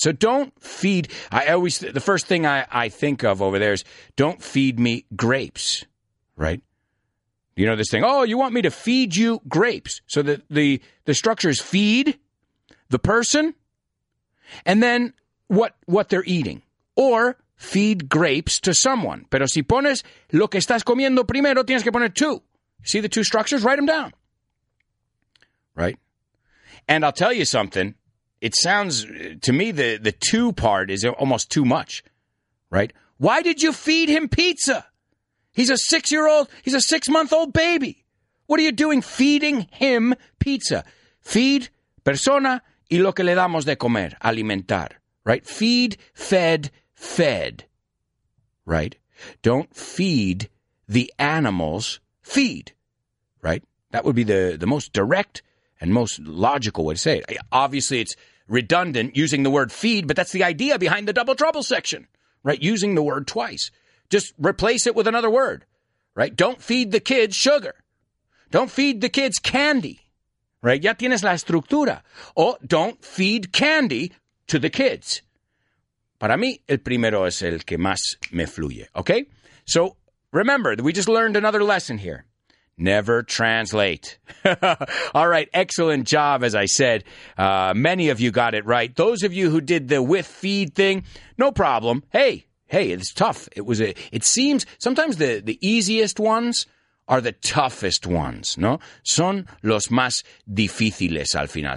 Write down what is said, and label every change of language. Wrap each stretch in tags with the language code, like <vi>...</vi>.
<en>So don't feed. The first thing I think of over there is don't feed me grapes, right? You know this thing. Oh, you want me to feed you grapes? So the structure is feed the person, and then what they're eating, or feed grapes to someone.</en> <es>Pero si pones lo que estás comiendo primero, tienes que poner two.</es> <en>See the two structures? Write them down. Right. And I'll tell you something. It sounds, to me, the two part is almost too much, right? Why did you feed him pizza? He's a 6-month-old baby. What are you doing feeding him pizza? Feed</en> <es>persona y lo que le damos de comer, alimentar,</es> <en>right? Feed, fed, right? Don't feed the animals, feed, right? That would be the most direct and most logical way to say it. Obviously, it's redundant using the word feed, but that's the idea behind the double trouble section, right? Using the word twice. Just replace it with another word, right? Don't feed the kids sugar. Don't feed the kids candy, right?</en> <es>Ya tienes la estructura.</es> <en>O don't feed candy to the kids.</en> <es>Para mí, el primero es el que más me fluye, okay?</es> <en>So remember, we just learned another lesson here. Never translate. All right. Excellent job, as I said. Many of you got it right. Those of you who did the with feed thing, no problem. Hey, it's tough. It seems sometimes the easiest ones are the toughest ones, no?</en> <es>Son los más difíciles al final.</es>